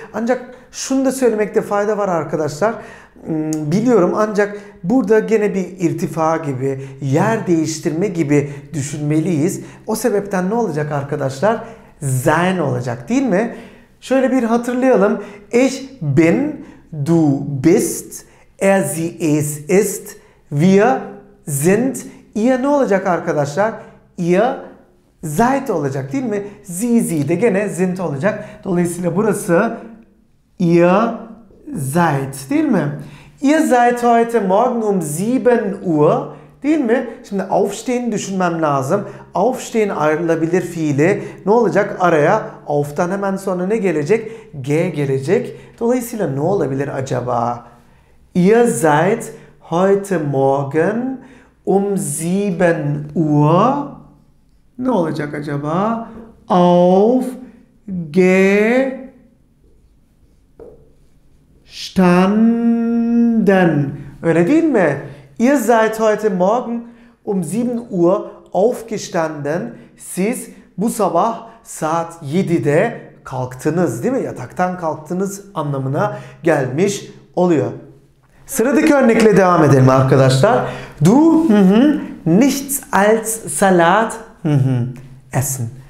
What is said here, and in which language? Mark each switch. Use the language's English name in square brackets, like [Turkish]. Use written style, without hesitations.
[Turkish] Ancak şunu da söylemekte fayda var arkadaşlar. Biliyorum, ancak burada gene bir irtifa gibi, yer değiştirme gibi düşünmeliyiz. O sebepten ne olacak arkadaşlar? Sein olacak, değil mi? Şöyle bir hatırlayalım. [German] Ich bin, du bist, er, sie, es, ist. Wir sind, [Turkish] ihr ne olacak arkadaşlar? Ihr seid olacak, değil mi? Sie, sie de gene sind olacak. Dolayısıyla burası ihr seid, değil mi? [German] Ihr seid heute morgen 7 Uhr, [Turkish] değil mi? Şimdi aufstehen düşünmem lazım. Aufstehen ayrılabilir fiili ne olacak? Araya auf'tan hemen sonra ne gelecek? G gelecek. Dolayısıyla ne olabilir acaba? [German] Ihr seid heute morgen 7 Uhr [Turkish] ne olacak acaba? Auf gestanden. Öyle değil mi? [German] Ihr seid heute morgen 7 Uhr aufgestanden. [Turkish] Siz bu sabah saat 7'de kalktınız, değil mi? Yataktan kalktınız anlamına gelmiş oluyor. Sıradaki örnekle devam edelim arkadaşlar. [German] Du nichts als Salat essen.